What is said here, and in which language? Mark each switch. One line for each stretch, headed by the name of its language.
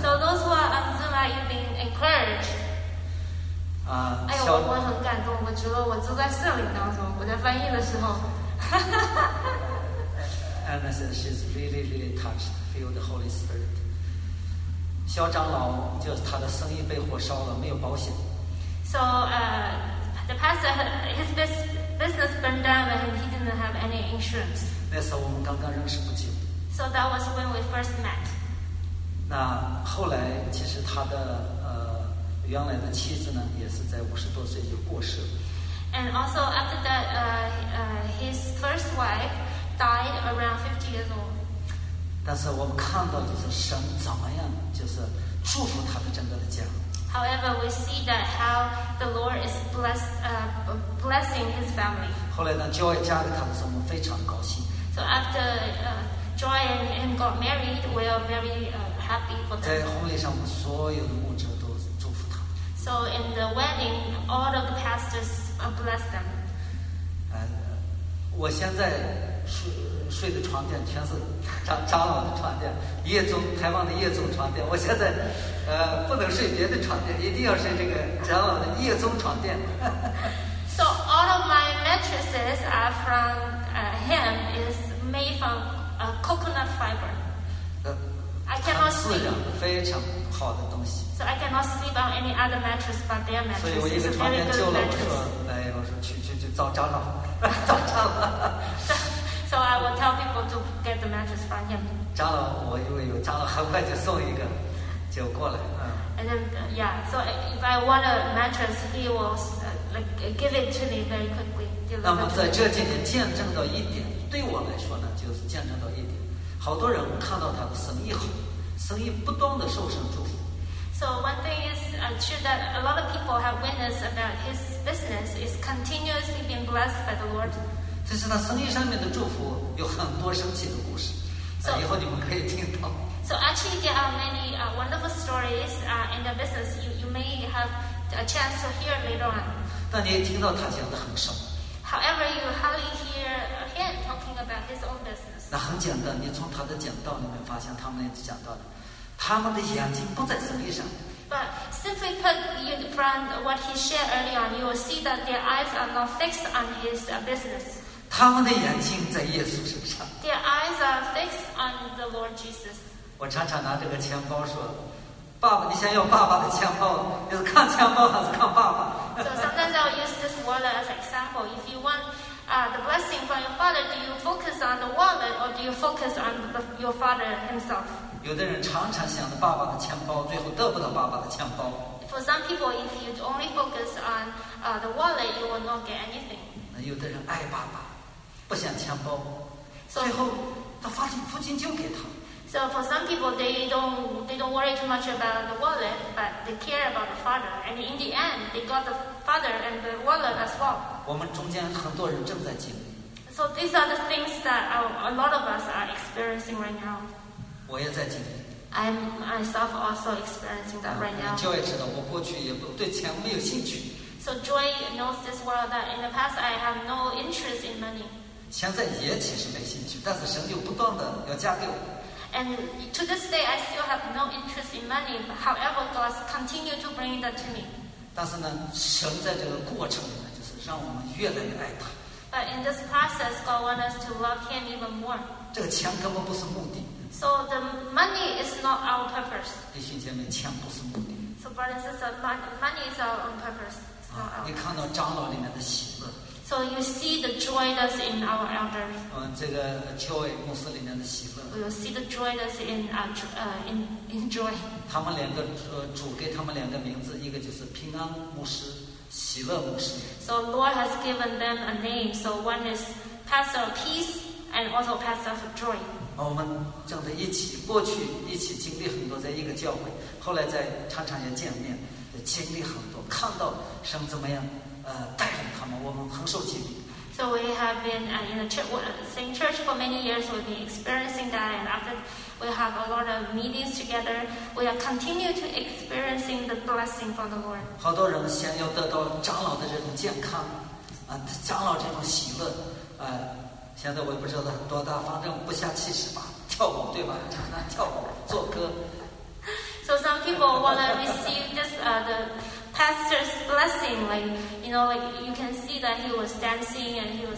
English: So those who are on Zoom, are you being encouraged?
Chinese: 啊，哎呦，我很感动，我觉得我坐在圣灵当中，我在翻译的时候，
English: 哈哈哈哈。Anna says she's really, really touched, feel the Holy Spirit.
Chinese: 肖长老就是他的生意被火烧了，没有保险。
English: So, the pastor, his business burned down, and he didn't have any insurance.
Chinese: 那时候我们刚刚认识不久。
English: So that was when we first met.
Chinese: 那后来其实他的原来的妻子呢也是在五十多岁就过世了。
English: And also after that, his first wife died around 50 years old.
Chinese: 但是我们看到就是神怎么样就是祝福他的整个的家。
English: However, we see that how the Lord is blessing his family.
Chinese: 后来呢 Joy 嫁给他的时候我们非常高兴。
English: So after, Joy and him got married, we are very, happy for them.
Chinese: 在婚礼上我们所有的牧者都祝福他。
English: So in the wedding, all of the pastors blessed them.
Chinese: 我现在睡的床垫全是长老的床垫，业总台湾的业总床垫。我现在，不能睡别的床垫，一定要睡这个长老的业总床垫。
English: So all of my mattresses are from him. Is made from coconut fiber. I cannot sleep.
Chinese: 非常好的东西。
English: So I cannot sleep on any other mattress but their mattress.
Chinese: 所以我一个床垫救了，我说来，我说去找长老，找长老。
English: So I will tell people to get the mattress from him.
Chinese: 长老，我以为有长老很快就送一个，就过来。
English: And then, yeah. So if I want a mattress, he will give it to me very quickly.
Chinese: 那么在这几天见证到一点，对我来说呢，就是见证到一点，好多人看到他的生意好，生意不断的受神祝福。
English: So one thing is true that a lot of people have witnessed about his business is continuously being blessed by the Lord.
Chinese: 这是他生意上面的祝福，有很多神奇的故事。
English: So,
Chinese: 以后你们可以听到。
English: So actually, there are many wonderful stories in the business. You may have a chance to hear later on.
Chinese: 但你也听到他讲的很少。
English: However, you hardly hear him talking about his own business.
Chinese: 那很简单，你从他的讲道里面发现，他们也讲到的，他们的眼睛不在生意上。
English: But simply put, from what he shared early on, you will see that their eyes are not fixed on his business.
Chinese: 他们的眼睛在耶稣身上。
English: Their eyes are fixed on the Lord Jesus.
Chinese: 我常常拿这个钱包说，爸爸，你想要爸爸的钱包，你是看钱包还是看爸爸？
English: So sometimes I'll use this wallet as an example. If you want, the blessing from your father, do you focus on the wallet or do you focus on your father himself?
Chinese: 有的人常常想着爸爸的钱包，最后得不到爸爸的钱包。
English: For some people, if you only focus on, the wallet, you will not get anything.
Chinese: 那有的人爱爸爸。不想钱包，最后他发现父亲就给他。
English: So for some people, they don't worry too much about the wallet, but they care about the father. And in the end, they got the father and the wallet as well.
Chinese: 我们中间很多人正在经历。
English: So these are the things that a lot of us are experiencing right now.
Chinese: 我也在经历。
English: I'm myself also experiencing that right now.
Chinese: 就也知道，我过去也不对钱没有兴趣。
English: So Joy knows this well that in the past I have no interest in money.
Chinese: 现在也其实没兴趣，但是神就不断的要加给我。
English: And to this day, I still have no interest in money. However, God continue to bring that to me.
Chinese: 但是呢，神在这个过程里面，就是让我们越来越爱他。
English: But in this process, God wants us to love Him even more.
Chinese: 这个钱根本不是目的。
English: So the money is not our purpose.
Chinese: 弟兄姐妹，钱不是目的。
English: So brothers and sisters, money is our own purpose. It's not our purpose.
Chinese: 你看到长老里面的喜乐。
English: So you see the joy that's in our elders.
Chinese: 这个 joy 公司里面的喜乐。
English: You see the joy that's in in joy.
Chinese: 他们两个主给他们两个名字，一个就是平安牧师，喜乐牧师。
English: So Lord has given them a name. So one is Pastor of Peace and also Pastor of Joy.
Chinese: 我们正在一起，过去一起经历很多，在一个教会，后来在常常也见面，经历很多，看到神怎么样。带领他们，我们很受激励。
English: So we have been in the same church for many years. We've been experiencing that, and after we have a lot of meetings together, we are continue to experiencing the blessing from the Lord.
Chinese: 好多人先要得到长老的这种健康，长老这种喜乐，现在我也不知道多大，反正不下70吧。跳舞，对吧？跳舞做歌。
English: So some people wanna receive this the pastor's blessing, like you know, like you can see that he was dancing and he was.